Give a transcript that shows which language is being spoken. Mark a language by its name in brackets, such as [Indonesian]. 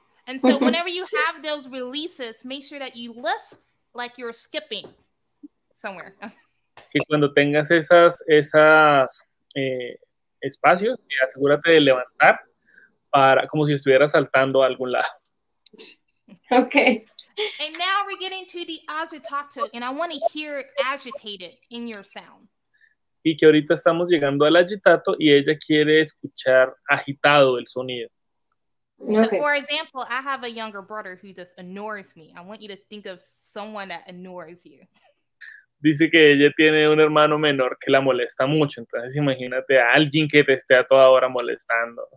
[English] And so whenever you have those releases, make sure that you lift like you're skipping somewhere. [Spanish] Y cuando tengas esas espacios, asegúrate de levantar para como si estuvieras saltando a algún lado. [English] Okay. And now we're getting to the agitato, and I want to hear agitated in your sound. [Spanish] Y que ahorita estamos llegando al agitato, y ella quiere escuchar agitado el sonido. [English] Okay. So for example, I have a younger brother who just annoys me. I want you to think of someone that annoys you. [Spanish] Dice que ella tiene un hermano menor que la molesta mucho. Entonces imagínate a alguien que te esté a toda hora molestando.